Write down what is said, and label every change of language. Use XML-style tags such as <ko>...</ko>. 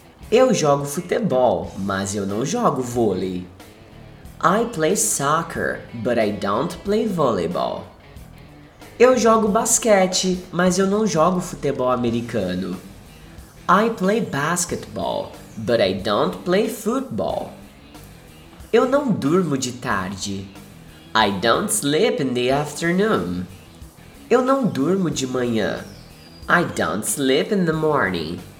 <pt>Eu jogo futebol, mas eu não jogo vôlei.</pt> <en>I play soccer, but I don't play volleyball.</en> <pt>Eu jogo basquete, mas eu não jogo futebol americano.</pt> <en>I play basketball, but I don't play football.</en> <pt>Eu não durmo de tarde.</pt> <en>I don't sleep in the afternoon.</en> <pt>Eu não durmo de manhã.</pt> <en>I don't sleep in the morning.</en>